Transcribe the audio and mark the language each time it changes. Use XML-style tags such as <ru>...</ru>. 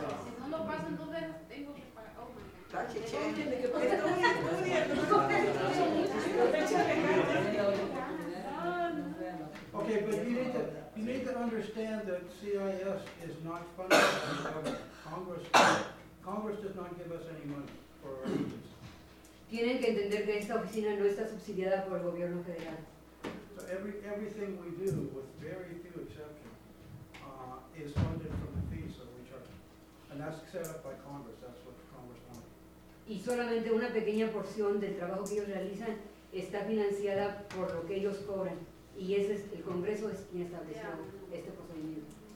<es>Si no lo pasan dos veces, tengo que pagar.</es> <en>Okay, but you need to understand that CIS is not funded by the government. Congress does not give us any money for our agents.</en> <es>Tienen que entender que esta oficina no está subsidiada por el gobierno federal.</es> <en>So everything we do, with very few exceptions, is funded from the fees that we charge. And that's set up by Congress. That's what Congress wanted.</en> <es>Y solamente una pequeña porción del trabajo que ellos realizan está financiada por lo que ellos cobran. Y ese es el Congreso es quien estableció este procedimiento.</es>